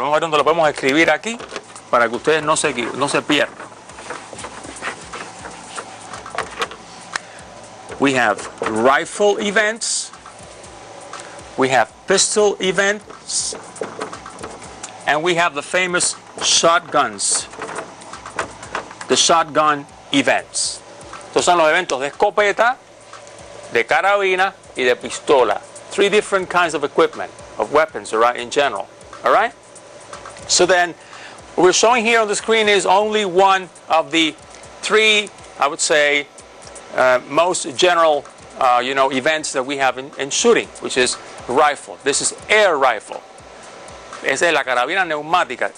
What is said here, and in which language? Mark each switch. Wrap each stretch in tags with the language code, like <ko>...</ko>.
<es>Vamos a ver dónde lo podemos escribir aquí para que ustedes no se pierdan.</es> <en>We have rifle events, we have pistol events, and we have the famous shotguns, the shotgun events.</en> <es>Estos son los eventos de escopeta, de carabina y de pistola.</es> <en>Three different kinds of equipment, of weapons, all right, in general. All right? So then, what we're showing here on the screen is only one of the three, I would say, most general, you know, events that we have in shooting, which is rifle. This is air rifle.</en> <es>Esa es la carabina neumática.</es>